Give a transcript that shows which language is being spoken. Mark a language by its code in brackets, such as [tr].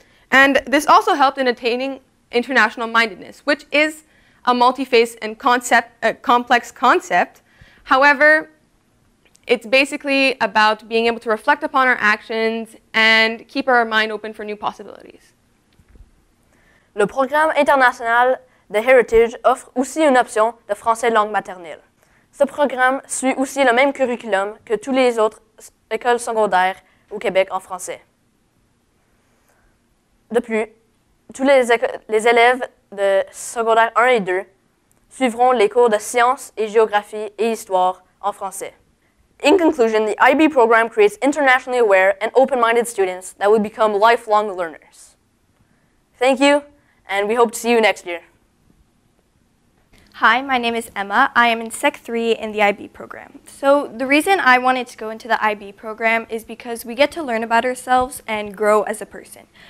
[en] And this also helped in attaining international mindedness, which is a multi-faced and complex concept. However, it's basically about being able to reflect upon our actions and keep our mind open for new possibilities. [fr] Le programme international de heritage offre aussi une option de français langue maternelle. Ce programme suit aussi le même curriculum que tous les autres écoles secondaires au Québec en français. De plus, tous les élèves de secondaire 1 et 2 suivront les cours de sciences et géographie et histoire en français. [en] In conclusion, the IB program creates internationally aware and open-minded students that will become lifelong learners. Thank you, and we hope to see you next year. Hi, my name is Emma. I am in Sec 3 in the IB program. So the reason I wanted to go into the IB program is because we get to learn about ourselves and grow as a person.